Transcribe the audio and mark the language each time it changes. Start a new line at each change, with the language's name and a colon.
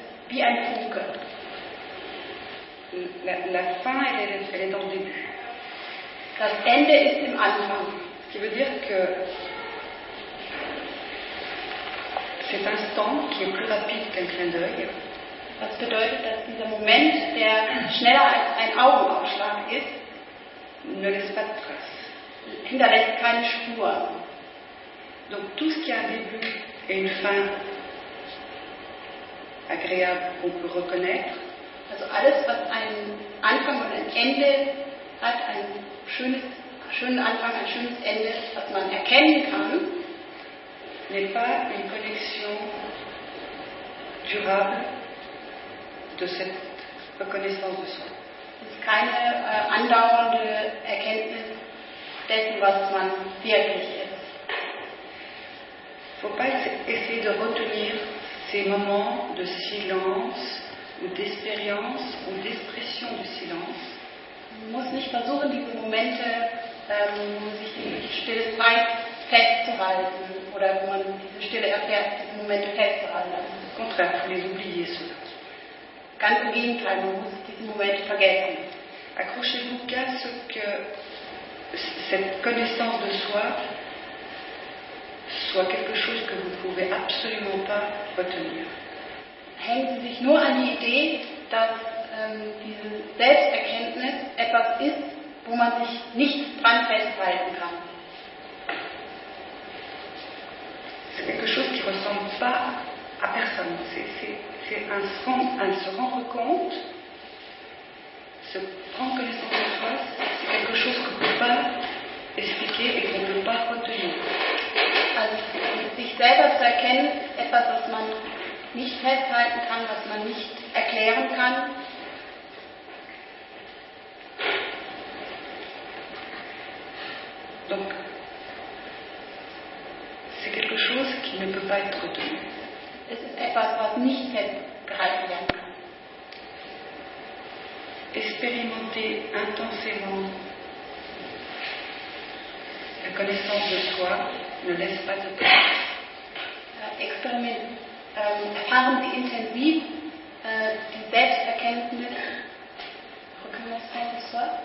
German: Wie ein Funke.
French: La fin, elle est dans le début.
German: Das Ende ist im Anfang.
French: Ça veut dire que cet instant qui est plus rapide qu'un clin d'œil.
German: Was bedeutet, dass dieser Moment, der schneller als ein Augenaufschlag ist,
French: ne laisse pas de trace.
German: Hinterlässt keine Spur.
French: Donc tout ce qui a un début et une fin agréable qu'on peut reconnaître.
German: Also alles, was einen Anfang und ein Ende hat, ein schönes Anfang, ein schönes Ende, was man erkennen kann,
French: n'est pas une connexion durable de cette reconnaissance de soi.
German: Ist keine andauernde Erkenntnis dessen, was man wirklich ist.
French: Faut pas essayer de retenir ces moments de silence ou d'expérience ou d'expression du silence.
German: Man muss nicht versuchen, diese Momente, wo sich die Stille frei festzuhalten oder wo man diese Stille erfährt, diese Momente festzuhalten.
French: Au contraire, faut les oublier cela.
German: Ganz im Gegenteil, man muss diese Momente vergessen.
French: Accrochez-vous qu'à ce que cette connaissance de soi soit quelque chose que vous ne pouvez absolument pas retenir.
German: Hängen Sie sich nur an die Idee, dass diese Selbsterkenntnis etwas ist, wo man sich nicht dran festhalten kann.
French: C'est quelque chose qui ressemble pas à personne. C'est un se rendre compte, se prendre connaissance de soi, c'est quelque chose qu'on ne peut pas expliquer et qu'on ne peut pas retenir.
German: Also sich selber zu erkennen, etwas, was man nicht festhalten kann, was man nicht erklären kann.
French: Donc, c'est quelque chose qui ne peut pas être retenu.
German: Es ist etwas, was nicht festgehalten werden kann.
French: Expérimenter intensément la connaissance de soi ne laisse pas de place.
German: Erfahren Sie intensiv die Selbsterkenntnis.
French: Reconnaissance de soi